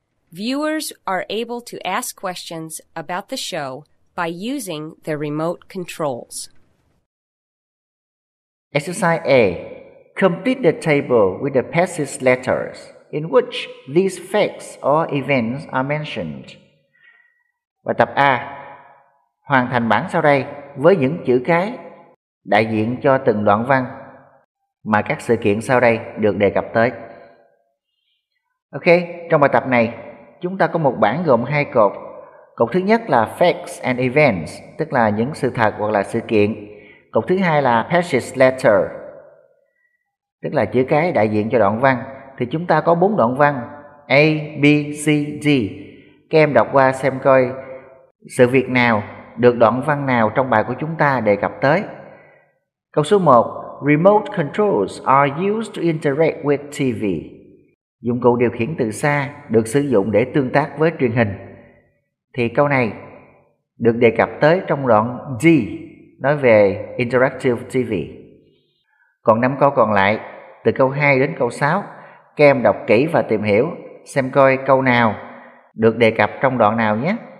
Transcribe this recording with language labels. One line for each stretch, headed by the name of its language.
English: Viewers are able to ask questions about the show by using their remote controls. Exercise A. Complete the table with the passage letters in which these facts or events are mentioned.
Vietnamese: Bài tập A. Hoàn thành bảng sau đây với những chữ cái đại diện cho từng đoạn văn mà các sự kiện sau đây được đề cập tới. Ok, trong bài tập này, chúng ta có một bảng gồm hai cột. Cột thứ nhất là
English: facts and events,
Vietnamese: tức là những sự thật hoặc là sự kiện. Cột thứ hai là
English: passage letter,
Vietnamese: tức là chữ cái đại diện cho đoạn văn. Thì chúng ta có bốn đoạn văn A, B, C, D. Các em đọc qua xem coi sự việc nào được đoạn văn nào trong bài của chúng ta đề cập tới. Câu số 1.
English: Remote controls are used to interact with TV.
Vietnamese: Dụng cụ điều khiển từ xa được sử dụng để tương tác với truyền hình. Thì câu này được đề cập tới trong đoạn D, nói về interactive TV. Còn 5 câu còn lại, từ câu 2 đến câu 6, các em đọc kỹ và tìm hiểu xem coi câu nào được đề cập trong đoạn nào nhé.